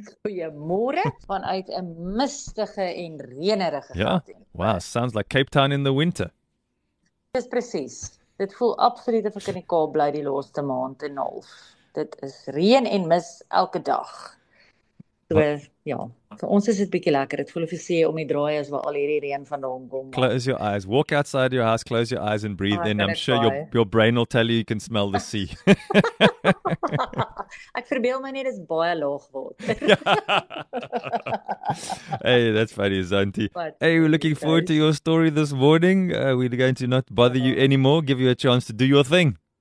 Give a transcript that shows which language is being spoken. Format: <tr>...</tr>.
<af>Goeiemôre vanuit 'n mistige en reënerige Gauteng. Ja.</af> <en>Wow, sounds like Cape Town in the winter.</en> <af>Dis presies. Dit voel absoluut of ek in die Kaap bly die laaste maand en 'n half. Dit is reën en mis elke dag. So, ja, vir ons is dit bietjie lekker. Dit voel of jy sê om die draai is waar al hierdie reën vandaan kom.</af> <en>Close your eyes. Walk outside your house, close your eyes and breathe in. I'm sure your brain will tell you can smell the sea.</en> <af>Ek verbeel my net dis baie laag water.</af> <en>Hey, that's funny, Zanti. Hey, we're looking forward to your story this morning. We're going to not bother you anymore. Give you a chance to do your thing.</en>